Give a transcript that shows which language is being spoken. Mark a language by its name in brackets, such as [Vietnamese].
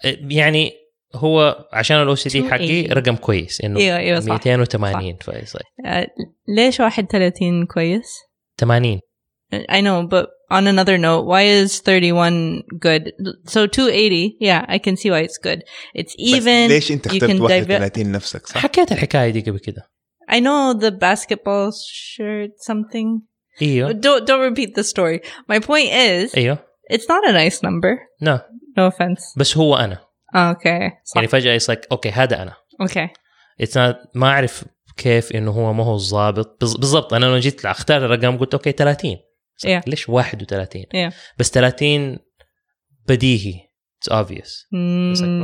[Arabic] يعني هو عشان الأو سي دي حقي رقم كويس إنه 280 فايز ليش 31 كويس 80 [English] I know but on another note why is 31 good so 280 yeah I can see why it's good it's even [Arabic] ليش انت اخترت 31 نفسك صح حكيت الحكاية دي قبل كده [English] I know the basketball shirt something [Arabic] ايوه [English] don't repeat the story my point is [Arabic] ايوه [English] It's not a nice number. No. No offense. [Arabic] بس هو أنا. [English] Okay. [Arabic] صح. يعني فجأة [English] it's like, okay, [Arabic] هذا أنا. [English] Okay. It's not, [Arabic] ما أعرف كيف إنه هو ما هو الضابط. بالضبط أنا لو جيت لأختار الرقم قلت [English] okay, [Arabic] 30. [English] So yeah. [Arabic] ليش 31? [English] Yeah. [Arabic] بس 30 بديهي. [English] It's obvious. [Arabic] Mm.